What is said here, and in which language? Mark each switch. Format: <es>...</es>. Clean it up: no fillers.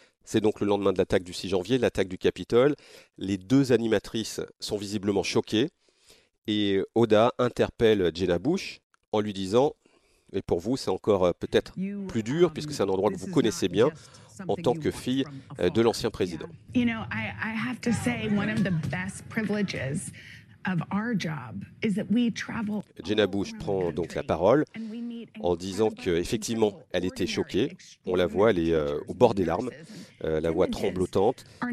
<fr>C'est donc le lendemain de l'attaque du 6 janvier, l'attaque du Capitole. Les deux animatrices sont visiblement choquées et Oda interpelle Jenna Bush en lui disant, et pour vous, c'est encore peut-être plus dur puisque c'est un endroit que vous connaissez bien. En tant que fille de l'ancien président.</fr> <en>You know, I have to say one of the best privileges of our job is that we travel.</en> <fr>Jenna Bush prend donc la parole en disant qu'effectivement, elle était choquée. On la voit, elle est au bord des larmes, la voix tremblotante.</fr>